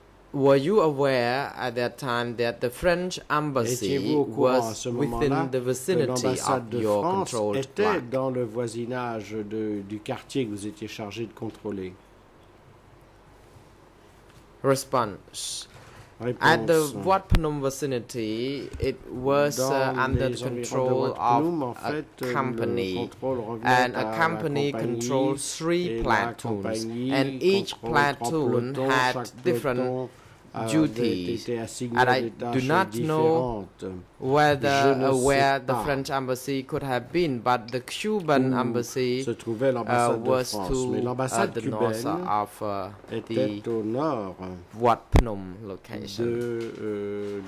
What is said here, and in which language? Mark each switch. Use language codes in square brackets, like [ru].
[en] Were you aware at that time that the French embassy was within the vicinity of your controlled block? [fr] Était dans le voisinage du quartier que vous étiez chargé de contrôler. [en] Response. [fr] Réponse. [en] At the Wat Phnom vicinity, it was under the control of a company, and a company controlled three platoons, and each platoon had different duties, and I do not know whether where the French embassy could have been, but the Cuban embassy was to the north of the Wat Phnom location.